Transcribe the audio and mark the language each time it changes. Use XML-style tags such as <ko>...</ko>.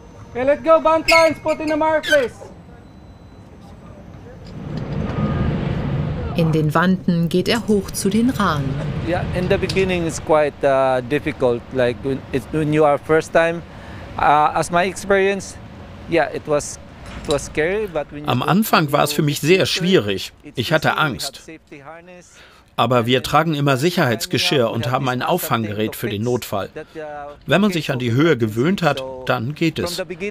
<en>Okay, let's go, bound lines, put in the mark, please.</en> <de>In den Wanden geht er hoch zu den Rahen.</de> <en>Yeah, in the beginning it's quite difficult, like when you are first time. As my experience, yeah, it was scary, but when</en> <de>Am Anfang war es für mich sehr schwierig. Ich hatte Angst. Aber wir tragen immer Sicherheitsgeschirr und haben ein Auffanggerät für den Notfall. Wenn man sich an die Höhe gewöhnt hat, dann geht es.</de>